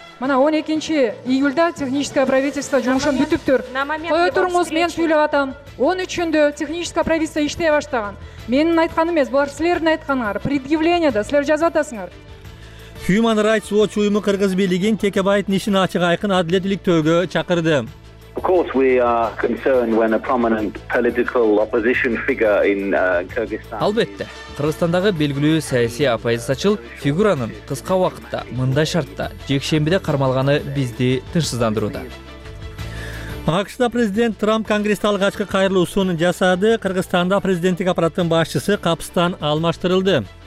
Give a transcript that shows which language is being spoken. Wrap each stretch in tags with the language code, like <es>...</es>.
<ky>Мына 12 июлда</ky> <ru>техническое правительство</ru> <ky>жумушун бүтүптүр. Кое туруңуз, мен сүйлөп атам. 13-дө</ky> <ru>техническое правительство</ru> <ky>иштей баштаган. Менин айтканым эмес, булар силердин айтканыңар. Предъявление да силер жазып атасыңар. Human Rights Watch уюму кыргыз бийлигин Текебаевдин ишин ачык айкын адилеттөөгө чакырды.</ky> <en>Of course we are concerned when a prominent political opposition figure in Kyrgyzstan.</en> <ky>Албетте, Кыргызстандагы белгилүү саясий оппозициячыл фигуранын кыска убакытта мындай шартта жекшембиде кармалганы бизди тынчсыздандырууда. АКШ-та президент Трамп Конгресске алгачкы кайрылуусун жасады. Кыргызстанда президенттик аппараттын башчысы капыстан алмаштырылды.</ky>